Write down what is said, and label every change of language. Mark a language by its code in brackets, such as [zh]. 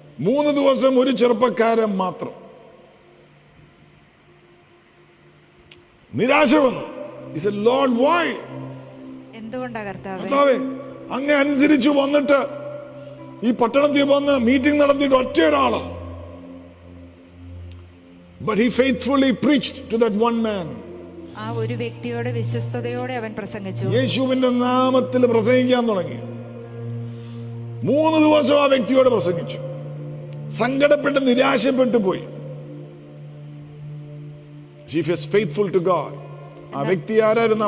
[ml] 3 ദിവസം ഒരു ചെറുപ്പക്കാരൻ മാത്രം. നിരാശ വന്നു. [en] Lord, why? [ml] എന്തുകൊണ്ടാണ് അങ്ങനെ? അനുസരിച്ച് വന്നിട്ട് ഈ പട്ടണത്തിൽ വന്ന് മീറ്റിംഗ് നടത്തിയിട്ട് ഒറ്റ ഒരാള്. [en] But he faithfully preached to that one man. [ml] ആ ഒരു വ്യക്തിയോട് വിശ്വസ്തയോടെ അവൻ പ്രസംഗിച്ചു, യേശുവിന്റെ നാമത്തിൽ പ്രസംഗിക്കാൻ തുടങ്ങി. 3 ദിവസം ആ വ്യക്തിയോട് പ്രസംഗിച്ചു. സങ്കടപ്പെട്ട് നിരാശപ്പെട്ടു പോയി. [en] She is faithful to God. [ml] ആ വ്യക്തി ആരായിരുന്നു?